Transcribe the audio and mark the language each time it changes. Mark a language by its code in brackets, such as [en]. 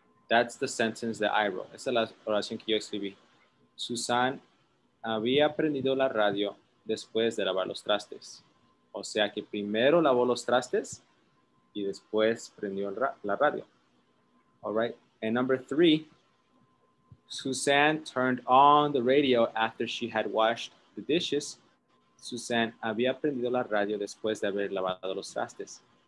[en] That's the sentence that I wrote. [es] Esa es la oración que yo escribí. Suzanne había prendido la radio después de lavar los trastes. O sea que primero lavó los trastes y después prendió la radio. [en] All right. And number three, Suzanne turned on the radio after she had washed the dishes. [es] Suzanne había prendido la radio después de haber lavado los trastes.